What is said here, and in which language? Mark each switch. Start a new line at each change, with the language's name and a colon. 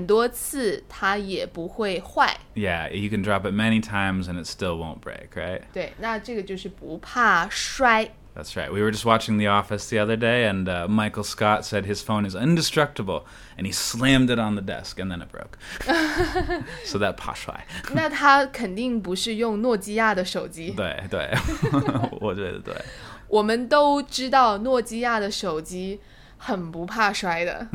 Chinese: 对对对,或者是说你摔很多次,它也不会坏。
English: Yeah, you can drop it many times and it still won't break, right?
Chinese: 对,那这个就是不怕摔。
English: That's right. We were just watching The Office the other day, and Michael Scott said his phone is indestructible, and he slammed it on the desk, and then it broke. So that 怕摔.
Chinese: 那他肯定不是用诺基亚的手机。对对, 我觉得对。我们都知道诺基亚的手机很不怕摔的。